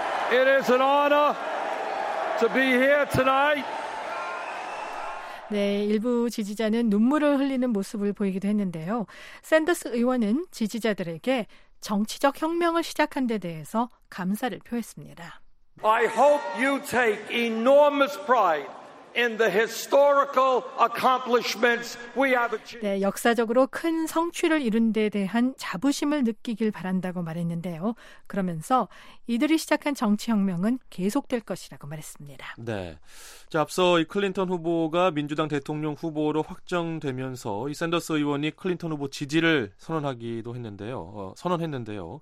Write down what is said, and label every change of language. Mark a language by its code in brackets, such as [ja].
[en] It is an honor to be here tonight. [ko] 네, 일부 지지자는 눈물을 흘리는 모습을 보이기도 했는데요. 샌더스 의원은 지지자들에게 정치적 혁명을 시작한 데 대해서 감사를 표했습니다. [en] I hope you take enormous pride in the historical accomplishments we have achieved. [ko] 네, 역사적으로 큰 성취를 이룬 데 대한 자부심을 느끼길 바란다고 말했는데요. 그러면서 이들이 시작한 정치 혁명은 계속될 것이라고 말했습니다. 네. 자, 앞서 이 클린턴 후보가 민주당 대통령 후보로 확정되면서 이 샌더스 의원이 클린턴 후보 지지를 선언하기도 했는데요.